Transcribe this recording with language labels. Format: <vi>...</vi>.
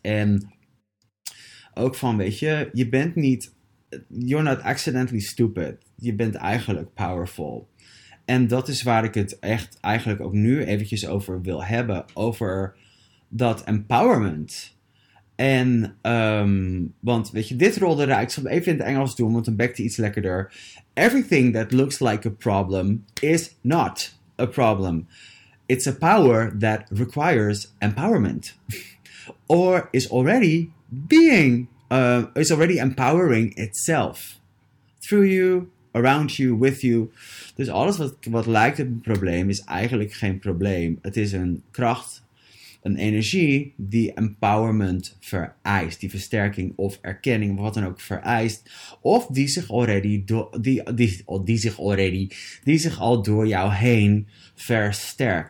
<nl>En ook van, weet je, je bent niet,</nl> <en>you're not accidentally stupid.</en> <nl>Je bent eigenlijk powerful. En dat is waar ik het echt eigenlijk ook nu eventjes over wil hebben. Over dat empowerment. En, want weet je, dit rolde eruit. Ik zal het even in het Engels doen, want dan bekt hij iets lekkerder.</nl> <en>Everything that looks like a problem is not a problem. It's a power that requires empowerment. Or is already being, is already empowering itself. Through you, around you, with you.</en> <nl>Dus alles wat lijkt op een probleem is eigenlijk geen probleem. Het is een kracht, een energie die empowerment vereist. Die versterking of erkenning of wat dan ook vereist. Of die zich already die zich al door jou heen versterkt.</nl>